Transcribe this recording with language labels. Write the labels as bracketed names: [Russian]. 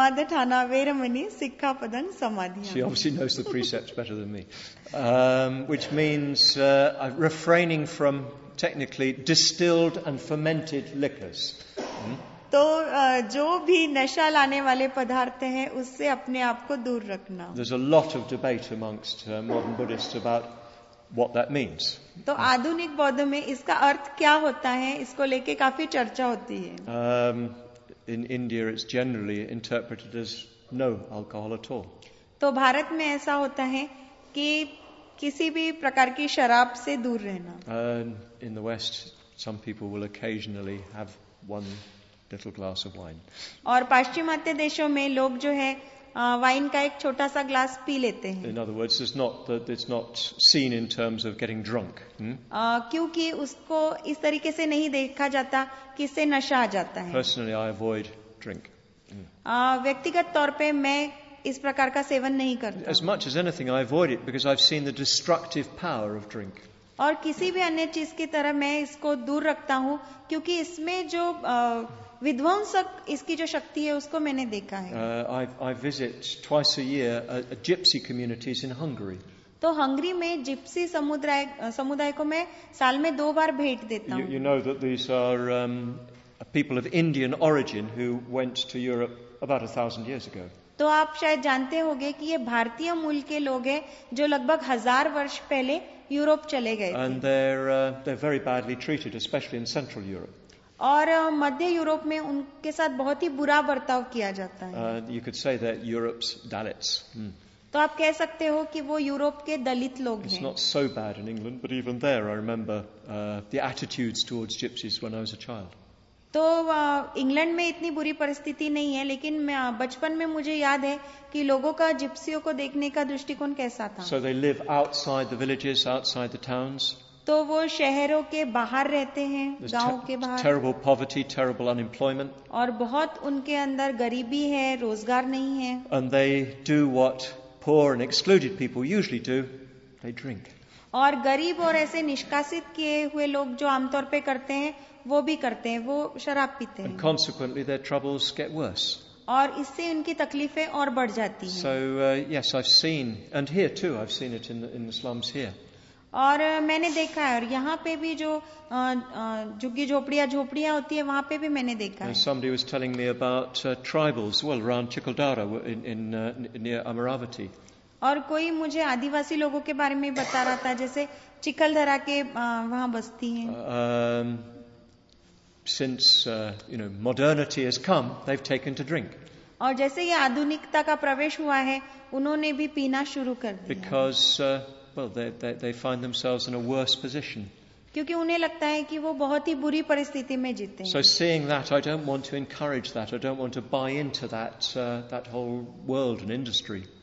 [English] She obviously knows the precepts better than me. Which means refraining from technically distilled and fermented liquors. [Hindi] तो जो भी नशा लाने वाले पदार्थ हैं उससे अपने आप को दूर रखना [English] There's a lot of debate amongst modern Buddhists about what that means [Hindi] तो आधुनिक बौद्ध में इसका अर्थ क्या होता है इसको लेके काफी चर्चा होती है [English] in india it's generally interpreted as no alcohol at all [Hindi] तो भारत में ऐसा होता है कि किसी भी प्रकार की शराब से दूर रहना [English] in the west some people will occasionally have one little glass of wine [Hindi] और पाश्चिमात्य देशों में लोग जो है वाइन का एक छोटा सा ग्लास पी लेते हैं [English] In other words, it's not seen in terms of getting drunk. [Hindi] क्योंकि उसको इस तरीके से नहीं देखा जाता कि इससे नशा आ जाता है [English] Personally, I avoid drink. [Hindi] व्यक्तिगत तौर पे मैं इस प्रकार का सेवन नहीं करता [English] As much as anything, I avoid it because I've seen the destructive power of drink. [Hindi] और किसी भी अन्य चीज की तरह मैं इसको दूर रखता हूँ क्योंकि इसमें जो विध्वंसक इसकी जो शक्ति है उसको मैंने देखा है [English] I visit twice a year a gypsy communities in Hungary [Hindi] तो हंगरी में जिप्सी समुदाय को मैं साल में दो बार भेंट देता हूँ [English] you know that these are people of Indian origin who went to Europe about 1,000 years ago [Hindi] तो आप शायद जानते होंगे कि ये भारतीय मूल के लोग हैं जो लगभग 1,000 वर्ष पहले यूरोप चले गए [English] and they're very badly treated especially in central Europe [Hindi] और मध्य यूरोप में उनके साथ बहुत ही बुरा बर्ताव किया जाता है [English] you could say that Europe's Dalits. [Hindi] तो आप कह सकते हो कि वो यूरोप के दलित लोग हैं [English] It's not so bad in England, but even there, I remember the attitudes towards gypsies when I was a child. [Hindi] तो इंग्लैंड में इतनी बुरी परिस्थिति नहीं है, लेकिन बचपन में मुझे याद है कि लोगों का जिप्सियों को देखने का दृष्टिकोण कैसा था। [English] So they live outside the villages, outside the towns. [Hindi] तो वो शहरों के बाहर रहते हैं, गांव के बाहर। [English] Terrible poverty, terrible unemployment. [Hindi] और बहुत उनके अंदर गरीबी है, रोजगार नहीं है। [English] And they do what poor and excluded people usually do, they drink. [Hindi] और गरीब और ऐसे निष्कासित किए हुए लोग जो आमतौर पे करते हैं वो भी करते हैं, वो शराब पीते हैं। [English] And consequently their troubles get worse. [Hindi] और इससे उनकी तकलीफें और बढ़ जाती हैं। [English] So yes, I've seen, and here too, I've seen it in the slums here. [Hindi] और मैंने देखा है, और यहाँ पे भी जो झुग्गी झोपड़ियाँ झोपड़ियाँ होती है वहाँ पे भी मैंने देखा है। [English] Somebody was telling me about tribals, well, around Chikaldara near Amaravati. [Hindi] और कोई मुझे आदिवासी लोगों के बारे में बता रहा था, जैसे चिखलधरा के वहाँ बस्ती हैं। [English] Since you know, modernity has come, they've taken to drink. [Hindi] और जैसे ही आधुनिकता का प्रवेश हुआ है, उन्होंने भी पीना शुरू कर दिया। [English] Because well, they find themselves in a worse position. [Hindi] क्योंकि उन्हें लगता है कि वो बहुत ही बुरी परिस्थिति में जीते हैं। [English] So seeing that, I don't want to encourage that. I don't want to buy into that that whole world and industry.